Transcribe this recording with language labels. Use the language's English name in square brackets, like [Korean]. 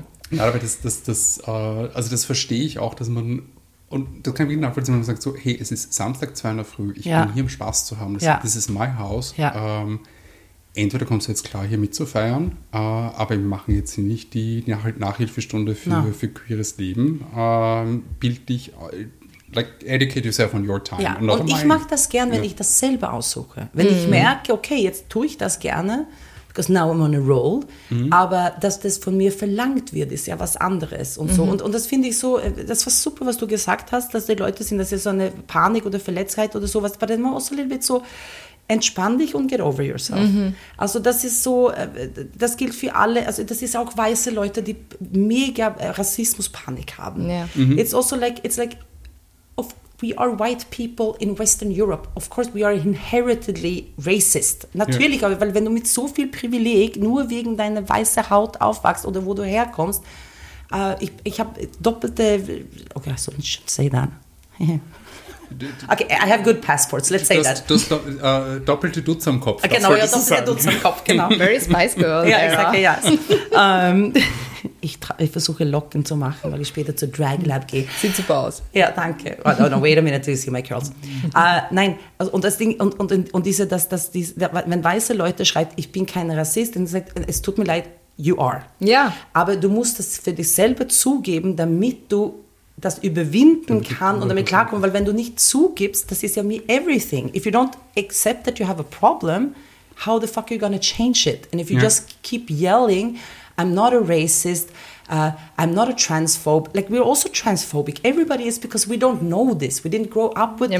[German] Ja, aber das verstehe ich auch, dass man, und das kann ich mir nachvollziehen, wenn man sagt so, hey, es ist Samstag, 2 Uhr in der Früh, ich bin hier, um Spaß zu haben. Das ist my house. Ja. Entweder kommst du jetzt klar, hier mitzufeiern, aber wir machen jetzt hier nicht die Nachhilfestunde für queeres Leben. Bild dich, [English] like, educate yourself on your time. [German] Ja, und ich mache das gern, wenn ich das selber aussuche. Wenn ich merke, okay, jetzt tue ich das gerne, [English] because now I'm on a roll, [German] aber dass das von mir verlangt wird, ist ja was anderes und so. Und das finde ich so, das war super, was du gesagt hast, dass die Leute sind, das ist so eine Panik oder Verletztheit oder sowas, aber dann war auch so ein little bit so, entspann dich und [English] get over yourself. [German] Mhm. Also das ist so, das gilt für alle, also das ist auch weiße Leute, die mega Rassismuspanik haben. [English] Yeah. Mhm. It's like, we are white people in Western Europe. Of course, we are inherently racist. [German] Natürlich, aber weil wenn du mit so viel Privileg nur wegen deiner weißen Haut aufwachst oder wo du herkommst, ich habe doppelte... [English] Okay, so I should say that. Okay, I have good passports, let's say that. [German] Du hast doppelte Dutz am Kopf. Genau, ja, doppelte Dutz am Kopf, genau. [English] Very Spice Girl. Ja, exactly, yes. [German] Ich versuche Locken zu machen, weil ich später zur Drag Lab gehe. Sieht super aus. Ja, danke. [English] Oh, no, wait a minute, till you see my curls. [German] Nein, also, und das Ding, und diese, dass diese, wenn weiße Leute schreibt, ich bin kein Rassist, dann sagt, es tut mir leid, [English] you are. [German] Ja. Aber du musst das für dich selber zugeben, damit du das überwinden kann und damit klarkommen, weil wenn du nicht zugibst, das ist ja me everything. [English] If you don't accept that you have a problem, how the fuck are you gonna change it? And if you just keep yelling, I'm not a racist, I'm not a transphobe, like we're also transphobic, everybody is, because we don't know this, we didn't grow up with this.